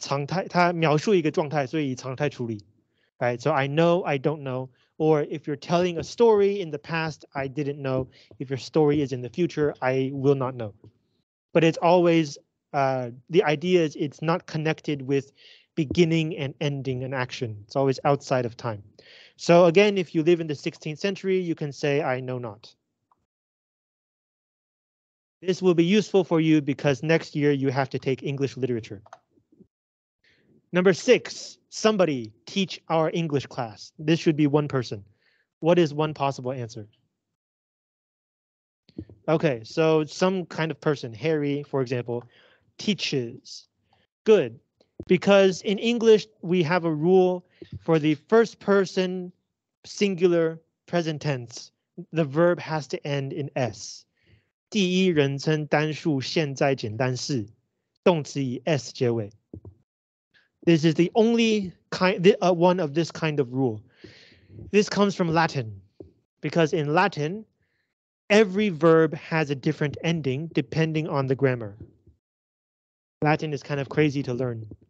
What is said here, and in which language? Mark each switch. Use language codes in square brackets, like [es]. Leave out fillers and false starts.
[zh] 所以通常它描述一个状态，所以以常态处理. [en] Right? So I know, I don't know. Or if you're telling a story in the past, I didn't know. If your story is in the future, I will not know. But it's always, the idea is it's not connected with beginning and ending an action. It's always outside of time. So again, if you live in the 16th century, you can say, I know not. This will be useful for you because next year you have to take English literature. Number six, somebody teach our English class. This should be one person. What is one possible answer? Okay, so some kind of person, Harry, for example, teaches. Good, because in English, we have a rule for the first person singular present tense. The verb has to end in S. [zh] 第一人称单数现在简单式, 动词以S结尾. [en] This is the only kind, one of this kind of rule. This comes from Latin, because in Latin, every verb has a different ending depending on the grammar. Latin is kind of crazy to learn.